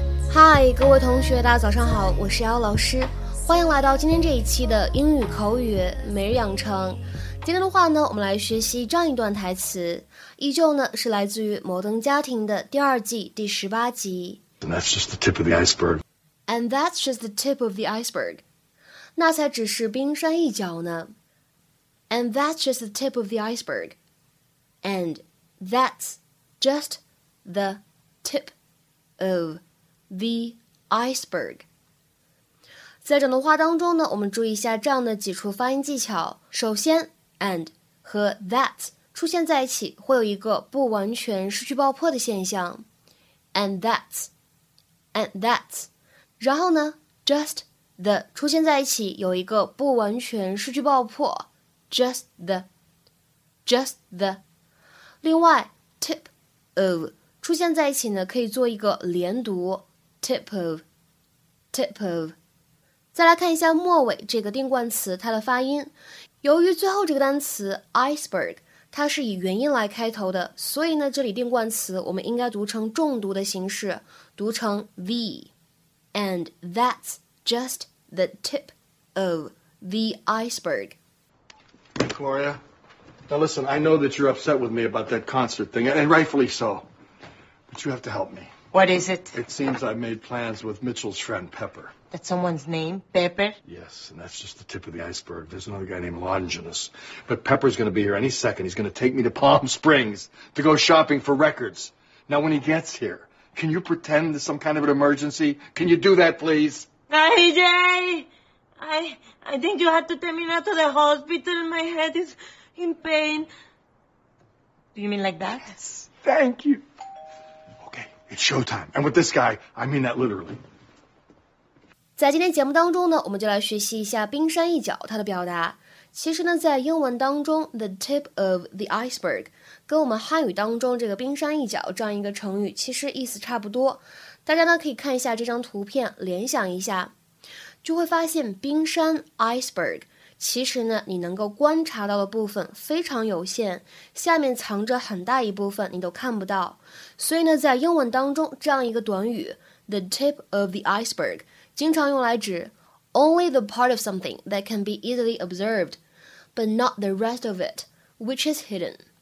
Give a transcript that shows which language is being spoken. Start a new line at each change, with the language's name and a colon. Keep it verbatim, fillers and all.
Chinese: 嗨，各位同学，大家早上好，我是姚老师，欢迎来到今天这一期的英语口语每日养成。今天的话呢，我们来学习这样一段台词，依旧呢是来自于《摩登家庭》的第二季第十八集。
English: And that's just the tip of the iceberg. And that's just the tip of the iceberg.
Chinese: 那才只是冰山一角呢。
English: And that's just the tip of the iceberg. And that's just the tip of.
Chinese: The iceberg 在整段话当中呢，我们注意一下这样的几处发音技巧。首先 and 和 that 出现在一起会有一个不完全失去爆破的现象 and that and that 然后呢 just the 出现在一起有一个不完全失去爆破 just the just the 另外 tip of 出现在一起呢可以做一个连读 Tip of, tip of. 再来看一下末尾这个定冠词它的发音。由于最后这个单词 iceberg 它是以元音来开头的，所以呢这里定冠词我们应该读成重读的形式，读成 the.
English: And that's just the tip of the iceberg. Gloria, now listen, I know that you're upset with me about that concert thing, and rightfully so. But you have to help me. What is it? It seems I made plans with Mitchell's friend, Pepper. That's someone's name? Pepper? Yes, and that's just the tip of the iceberg. There's another guy named Longinus. But Pepper's going to be here any second. He's going to take me to Palm Springs to go shopping for records. Now, when he gets here, can you pretend there's some kind of an emergency? Can you do that, please? A J, I, I think you have to take me now to the hospital. My head is in pain. Do you mean like that? Yes, thank you. It's showtime. And with this guy, I mean that literally.
Chinese: 在今天节目当中呢，我们就来学习一下冰山一角它的表达。其实呢，在英文当中 the tip of the iceberg 跟我们汉语当中这个冰山一角这样一个成语其实意思差不多。大家呢可以看一下这张图片，联想一下，就会发现冰山 iceberg 其实呢你能够观察到的部分非常有限，下面藏着很大一部分你都看不到。
English: 所以呢在英文当中这样一个短语 the tip of the iceberg 经常用来指 only the part of something that can be easily observed, but not the rest of it, which is hidden.